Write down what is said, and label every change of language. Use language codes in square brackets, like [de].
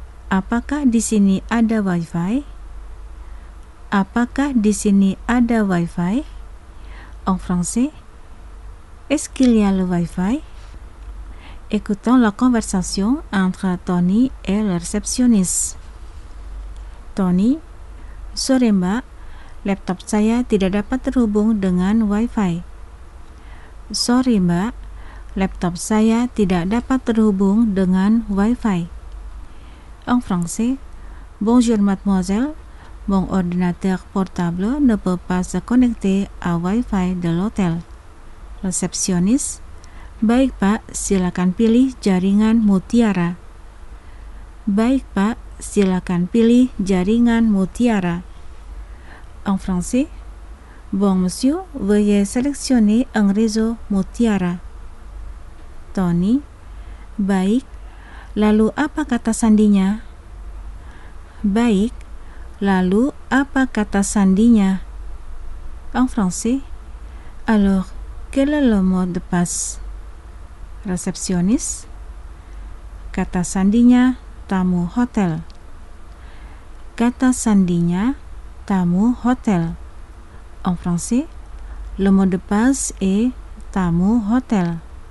[id] Apakah di sini ada Wi-Fi? Apakah di sini ada Wi-Fi? [fr] En français, est-ce qu'il y a le Wi-Fi? Écoutons la conversation entre Tony et le réceptionniste. [id] Tony, sore mbak. Laptop saya tidak dapat terhubung dengan Wi-Fi. Sorry, mbak. Laptop saya tidak dapat terhubung dengan Wi-Fi. [fr] En français. Bonjour, mademoiselle. Mon ordinateur portable ne peut pas se connecter à Wi-Fi de l'hôtel. [id] Réceptionniste. Baik, pak. Silakan pilih jaringan Mutiara. Baik, pak. Silakan pilih jaringan Mutiara. [fr] En français, bon monsieur, veuillez sélectionner un réseau Mutiara. [id] Tony, baik, lalu apa kata sandinya? Baik, lalu apa kata sandinya? [fr] En français, alors, quel est le mot de passe? [id] Réceptionniste, kata sandinya tamu hotel. Kata sandinya tamu hotel. [fr] En français, le mot de passe est tamu hotel.